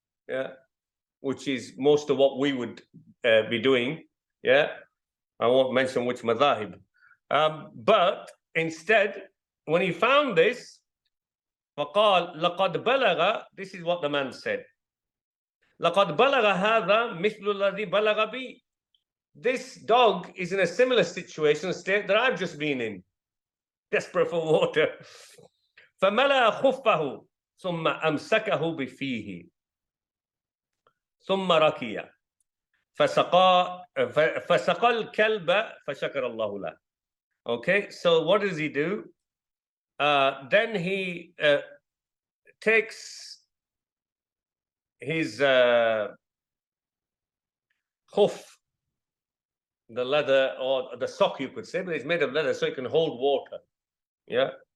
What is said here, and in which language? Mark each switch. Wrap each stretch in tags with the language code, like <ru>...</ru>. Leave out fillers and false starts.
<en>Yeah, which is most of what we would be doing. Yeah, I won't mention which madhahib. But instead, when he found this,</en> <ar>فقال لقد بلغ,</ar> <en>this is what the man said.</en> <ar>لقد بلغ هذا مثل الذي بلغ بي.</ar> <en>This dog is in a similar situation, state that I've just been in, desperate for water.</en> <ar>فملأ خفه ثم أمسكه بفيه ثم ركيا فسقى الكلب فشكر الله له.</ar> <en>Okay, so what does he do? Then he takes his khuf, the leather or the sock, you could say, but it's made of leather so it can hold water. Yeah.</en>